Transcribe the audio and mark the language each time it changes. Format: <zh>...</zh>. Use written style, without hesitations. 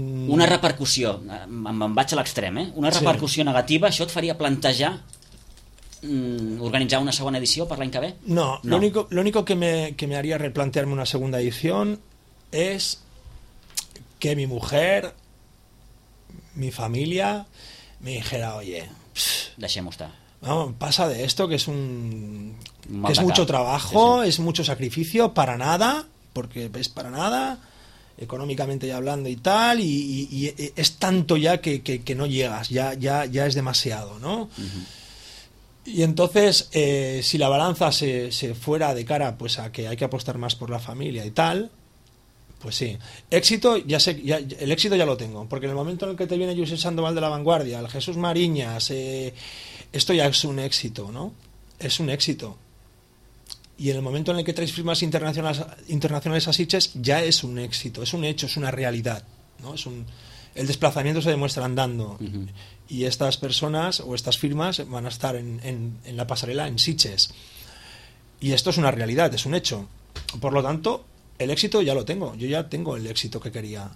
<ca>una repercussió, me'n vaig a l'extrem, eh? Una repercussió sí. Negativa, això et faria plantejar organitzar una segona edició per l'any que ve?</ca> <es>No, l'únic que me haría replantearme una segunda edición es que mi mujer, mi familia, me dijera, oye,</es> <ca>deixem-ho estar.</ca> <es>No, pasa de esto, que es un... que es mucho trabajo, sí. Es mucho sacrificio, para nada, porque es para nada... económicamente ya hablando y tal, y es tanto ya que no llegas, ya es demasiado, ¿no? Uh-huh. Y entonces, si la balanza se fuera de cara pues a que hay que apostar más por la familia y tal, pues sí. Éxito, ya sé, ya, el éxito ya lo tengo, porque en el momento en el que te viene José Sandoval de La Vanguardia, el Jesús Mariñas, esto ya es un éxito, ¿no? Es un éxito. Y en el momento en el que traes firmas internacionales a Sitges, ya es un éxito, es un hecho, es una realidad, ¿no? El desplazamiento se demuestra andando. Uh-huh. Y estas personas o estas firmas van a estar en la pasarela en Sitges. Y esto es una realidad, es un hecho. Por lo tanto, el éxito ya lo tengo. Yo ya tengo el éxito que quería.</es>